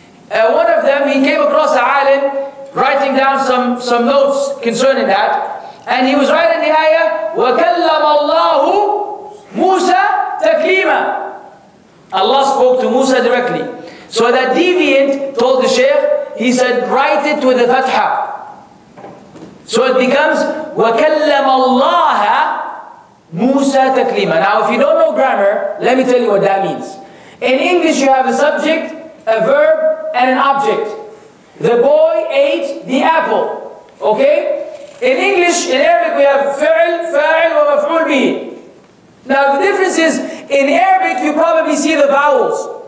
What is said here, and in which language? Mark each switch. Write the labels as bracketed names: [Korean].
[English] One of them, he came across an alim writing down some notes concerning that. And he was writing the ayah, [Arabic] وَكَلَّمَ اللَّهُ مُوسَى تَكْلِيمًا. [English] Allah spoke to Musa directly. So that deviant told the Shaykh, he said, write it with a fatha. So it becomes, [Arabic] وَكَلَّمَ اللَّهَ مُوسَى تَكْلِيمًا. [English] Now if you don't know grammar, let me tell you what that means. In English you have a subject, a verb, and an object. The boy ate the apple. Okay? In English, in Arabic we have [Arabic] فَعْل, فَعْل, وَمَفْعُول بِهِ. [English] Now the difference is, in Arabic you probably see the vowels.